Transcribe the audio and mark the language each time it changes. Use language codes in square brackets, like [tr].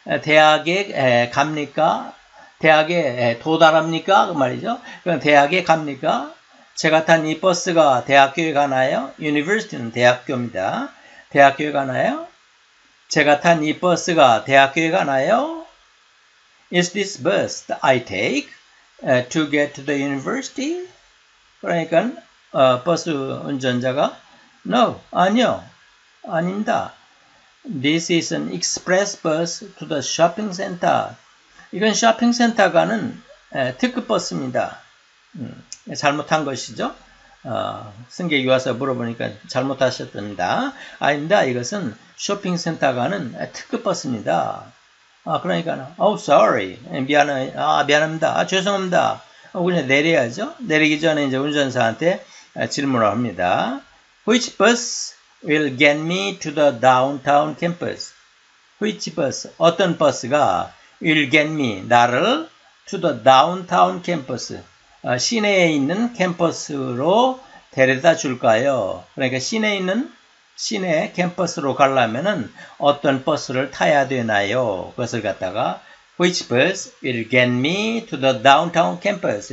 [ko] 대학에 갑니까? 대학에 도달합니까? 그 말이죠. 그럼 대학에 갑니까? 제가 탄이 버스가 대학교에 가나요? University는 대학교입니다. 대학교에 가나요? 제가 탄이 버스가 대학교에 가나요? [en] Is this bus that I take to get to the university? [ko] 그러니까 버스 운전자가 No, 아니요, 아닙니다. [en] This is an express bus to the shopping center. [ko] 이건 쇼핑센터 가는 특급 버스입니다. 잘못한 것이죠? 승객이 와서 물어보니까 잘못하셨답니다. 아닙니다. 이것은 쇼핑센터 가는 특급 버스입니다. 그러니까, [en] Oh, sorry. [ko] 미안해. 미안합니다. 죄송합니다. 그냥 내려야죠. 내리기 전에 이제 운전사한테 질문을 합니다. [en] Which bus will get me to the downtown campus? Which bus? [ko] 어떤 버스가 [en] will get me, [ko] 나를 [en] to the downtown campus. [ko] 시내에 있는 캠퍼스로 데려다 줄까요? 그러니까 시내 캠퍼스로 가려면은 어떤 버스를 타야 되나요? 그것을 갖다가 [en] Which bus will get me to the downtown campus?